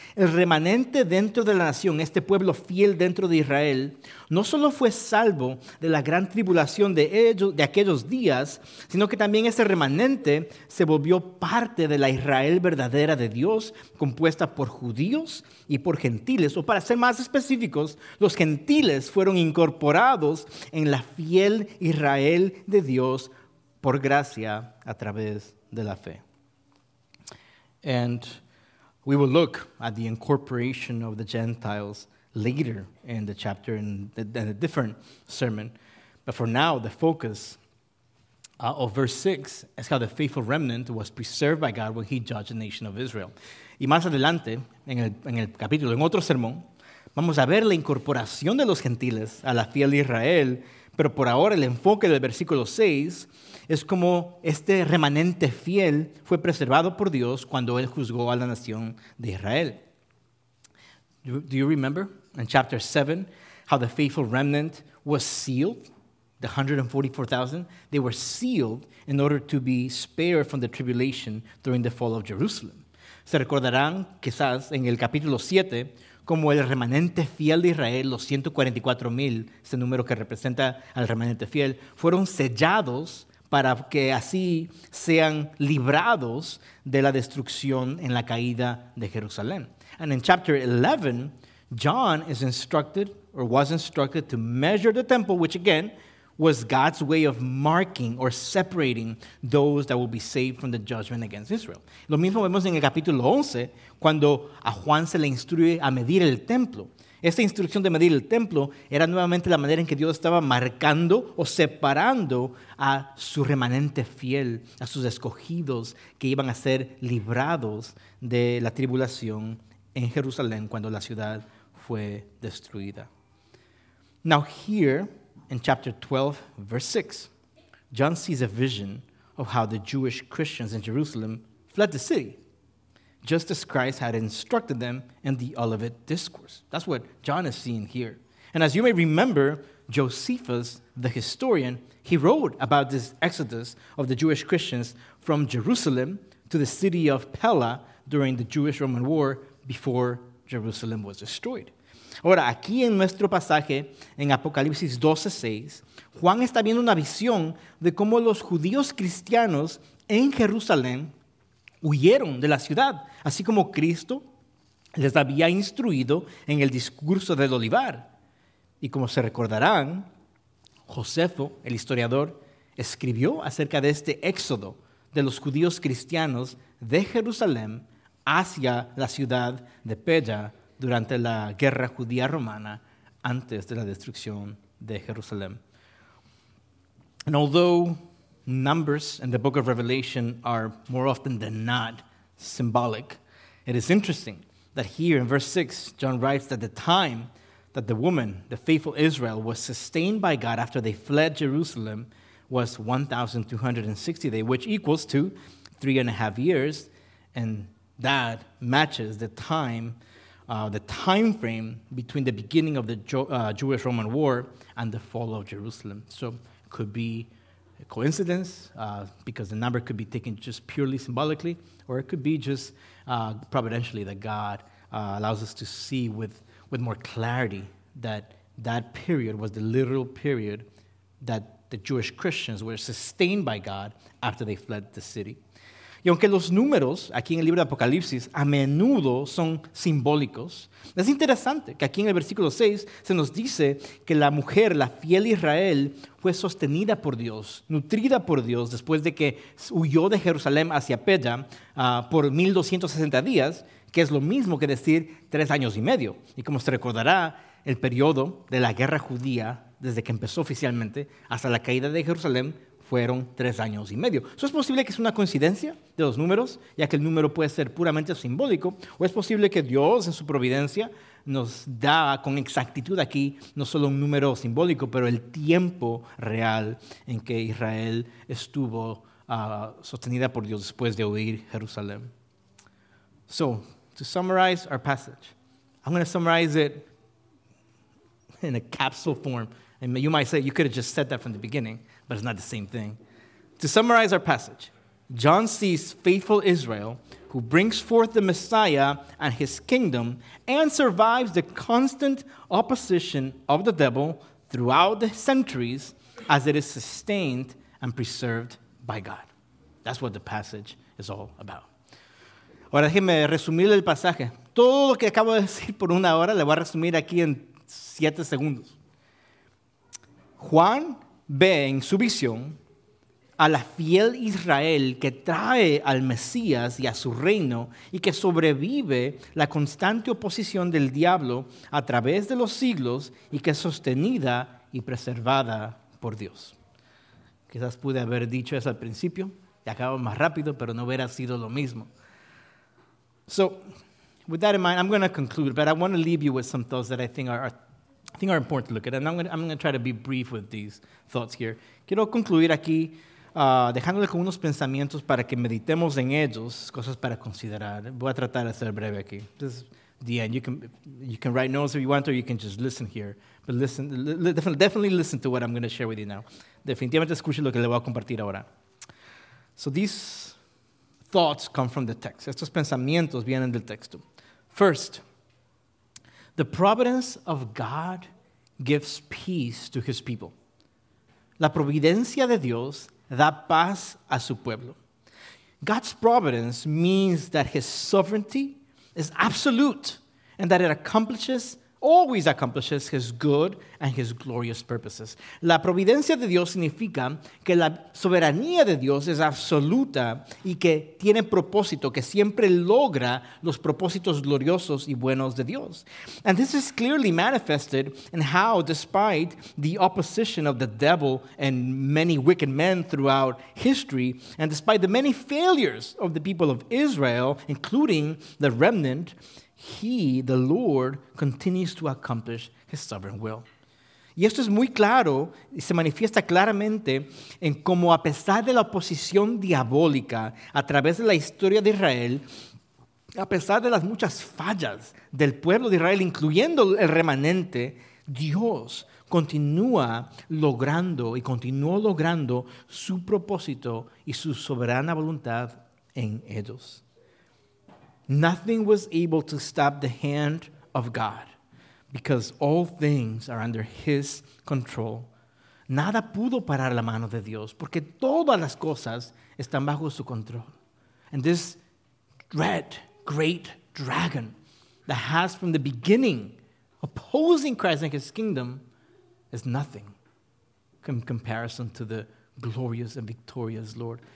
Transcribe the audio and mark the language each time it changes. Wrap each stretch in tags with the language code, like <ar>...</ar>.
<es>el remanente dentro de la nación, este pueblo fiel dentro de Israel, no solo fue salvo de la gran tribulación de ellos, de aquellos días, sino que también ese remanente se volvió parte de la Israel verdadera de Dios, compuesta por judíos y por gentiles. O para ser más específicos, los gentiles fueron incorporados en la fiel Israel de Dios por gracia a través de la fe.</es> <en>And we will look at the incorporation of the Gentiles later in the chapter in a different sermon. But for now, the focus of verse 6 is how the faithful remnant was preserved by God when he judged the nation of Israel.</en> <es>Y más adelante, en el capítulo, en otro sermón, vamos a ver la incorporación de los gentiles a la fiel Israel. Pero por ahora, el enfoque del versículo 6 es como este remanente fiel fue preservado por Dios cuando él juzgó a la nación de Israel.</es> <en>Do you remember in chapter 7 how the faithful remnant was sealed, the 144,000? They were sealed in order to be spared from the tribulation during the fall of Jerusalem.</en> <es>Se recordarán quizás en el capítulo 7 como el remanente fiel de Israel, los 144,000, ese número que representa al remanente fiel, fueron sellados para que así sean librados de la destrucción en la caída de Jerusalén.</es> <en>And in chapter 11, John is instructed, or was instructed, to measure the temple, which again was God's way of marking or separating those that will be saved from the judgment against Israel.</en> <es>Lo mismo vemos en el capítulo 11, cuando a Juan se le instruye a medir el templo. Esta instrucción de medir el templo era nuevamente la manera en que Dios estaba marcando o separando a su remanente fiel, a sus escogidos que iban a ser librados de la tribulación en Jerusalén cuando la ciudad fue destruida.</es> <en>Now here, in chapter 12, verse 6, John sees a vision of how the Jewish Christians in Jerusalem fled the city, just as Christ had instructed them in the Olivet Discourse. That's what John is seeing here. And as you may remember, Josephus, the historian, he wrote about this exodus of the Jewish Christians from Jerusalem to the city of Pella during the Jewish-Roman War before Jerusalem was destroyed.</en> <es>Ahora, aquí en nuestro pasaje, en Apocalipsis 12:6, Juan está viendo una visión de cómo los judíos cristianos en Jerusalén huyeron de la ciudad, así como Cristo les había instruido en el discurso del olivar. Y como se recordarán, Josefo, el historiador, escribió acerca de este éxodo de los judíos cristianos de Jerusalén hacia la ciudad de Pella durante la guerra judía romana antes de la destrucción de Jerusalén.</es> <en>And although numbers in the book of Revelation are more often than not symbolic, it is interesting that here in verse 6, John writes that the time that the woman, the faithful Israel, was sustained by God after they fled Jerusalem was 1,260 days, which equals to 3.5 years, and that matches the time frame between the beginning of the Jewish-Roman War and the fall of Jerusalem. So it could be a coincidence, because the number could be taken just purely symbolically, or it could be just providentially that God allows us to see with more clarity that period was the literal period that the Jewish Christians were sustained by God after they fled the city.</en> <es>Y aunque los números aquí en el libro de Apocalipsis a menudo son simbólicos, es interesante que aquí en el versículo 6 se nos dice que la mujer, la fiel Israel, fue sostenida por Dios, nutrida por Dios después de que huyó de Jerusalén hacia Pella por 1,260 días, que es lo mismo que decir 3 años y medio. Y como se recordará, el periodo de la guerra judía, desde que empezó oficialmente hasta la caída de Jerusalén, fueron 3 años y medio. ¿So es posible que es una coincidencia de los números, ya que el número puede ser puramente simbólico? ¿O es posible que Dios, en su providencia, nos da con exactitud aquí no solo un número simbólico, pero el tiempo real en que Israel estuvo sostenida por Dios después de huir Jerusalén?</es> <en>So, to summarize our passage, I'm going to summarize it in a capsule form. And you might say, you could have just said that from the beginning, but it's not the same thing. To summarize our passage, John sees faithful Israel who brings forth the Messiah and his kingdom and survives the constant opposition of the devil throughout the centuries as it is sustained and preserved by God. That's what the passage is all about.</en> <es>Ahora déjeme resumir el pasaje. Todo lo que acabo de decir por una hora le voy a resumir aquí en 7 segundos. Juan ve en su visión a la fiel Israel que trae al Mesías y a su reino y que sobrevive la constante oposición del diablo a través de los siglos y que es sostenida y preservada por Dios. Quizás pude haber dicho eso al principio y acabo más rápido, pero no hubiera sido lo mismo.</es> <en>So, with that in mind, I'm going to conclude, but I want to leave you with some thoughts that I think are important to look at, and I'm going to try to be brief with these thoughts here.</en> <es>Quiero concluir aquí dejándole con unos pensamientos para que meditemos en ellos, cosas para considerar. Voy a tratar de ser breve aquí.</es> <en>This is the end. You can write notes if you want, or you can just listen here. But listen, definitely listen to what I'm going to share with you now.</en> <es>Definitivamente escuche lo que le voy a compartir ahora.</es> <en>So these thoughts come from the text.</en> <es>Estos pensamientos vienen del texto.</es> <en>First, the providence of God gives peace to his people.</en> <es>La providencia de Dios da paz a su pueblo.</es> <en>God's providence means that his sovereignty is absolute and that it always accomplishes his good and his glorious purposes.</en> <es>La providencia de Dios significa que la soberanía de Dios es absoluta y que tiene propósito, que siempre logra los propósitos gloriosos y buenos de Dios.</es> <en>And this is clearly manifested in how, despite the opposition of the devil and many wicked men throughout history, and despite the many failures of the people of Israel, including the remnant, He, the Lord, continues to accomplish his sovereign will.</en> <es>Y esto es muy claro y se manifiesta claramente en cómo, a pesar de la oposición diabólica a través de la historia de Israel, a pesar de las muchas fallas del pueblo de Israel, incluyendo el remanente, Dios continúa logrando y continuó logrando su propósito y su soberana voluntad en ellos.</es> <en>Nothing was able to stop the hand of God because all things are under his control.</en> <es>Nada pudo parar la mano de Dios porque todas las cosas están bajo su control.</es> <en>And this red, great dragon that has from the beginning opposing Christ and his kingdom is nothing in comparison to the glorious and victorious Lord.</en>